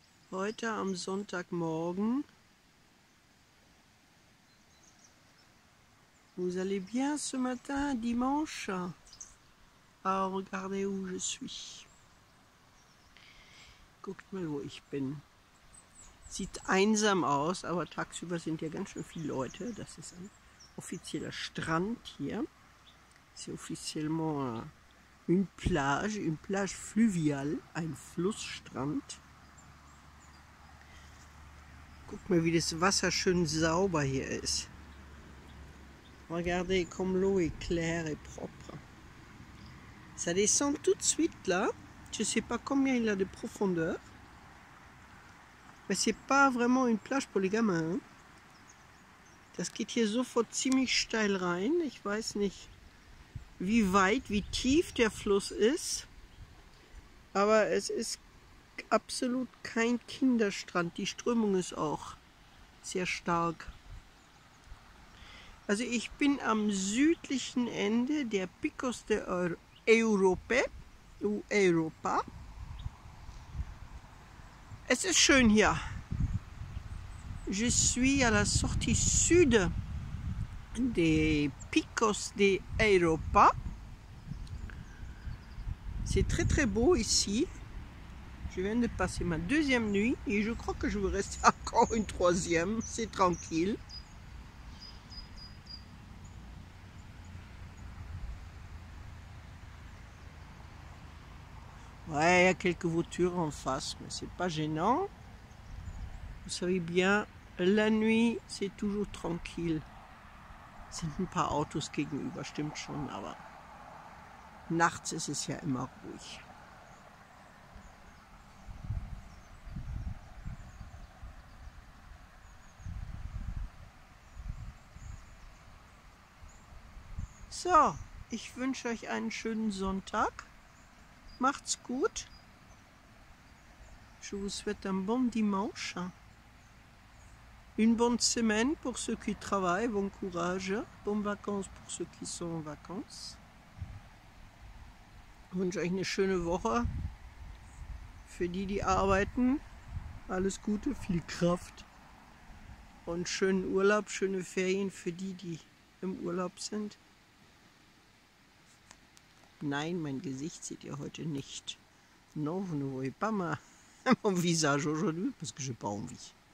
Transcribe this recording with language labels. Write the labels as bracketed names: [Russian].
[German] Heute am Sonntagmorgen? [French] Vous allez bien ce matin, dimanche? Alors, regardez où je suis. [German] Guckt mal, wo ich bin. Sieht einsam aus, aber tagsüber sind hier ganz schön viele Leute. Das ist ein offizieller Strand hier. [French] C'est officiellement une plage fluviale, [German] ein Flussstrand. Guck mal, wie das Wasser schön sauber hier ist. [French] Regardez comme l'eau est claire et propre. Ça descend tout de suite là. Je sais pas combien il a de profondeur. Mais c'est pas vraiment une plage pour les gamins, hein. [German] Das geht hier sofort ziemlich steil rein. Ich weiß nicht, wie weit, wie tief der Fluss ist. Aber es ist absolut kein Kinderstrand. Die Strömung ist auch sehr stark. Also ich bin am südlichen Ende der Picos de Europa. Es ist schön hier. [French] Je suis à la sortie sud des Picos de Europa. C'est très très beau ici. Je viens de passer ma deuxième nuit et je crois que je vais rester encore une troisième. C'est tranquille. Ouais, il y a quelques voitures en face, mais c'est pas gênant. Vous savez bien. La nuit, c'est toujours tranquille. [German] Es sind ein paar Autos gegenüber, stimmt schon, aber nachts ist es ja immer ruhig. So, ich wünsche euch einen schönen Sonntag. Macht's gut. [French] Je vous souhaite un bon dimanche. Une bonne semaine pour ceux qui travaillent, bon courage, bonnes vacances pour ceux qui sont en vacances. [German] Ich wünsche euch eine schöne Woche für die, die arbeiten. Alles Gute, viel Kraft und schönen Urlaub, schöne Ferien für die, die im Urlaub sind. Nein, mein Gesicht seht ihr heute nicht. [French] Non, vous ne voyez pas ma mon visage aujourd'hui, parce que j'ai pas envie.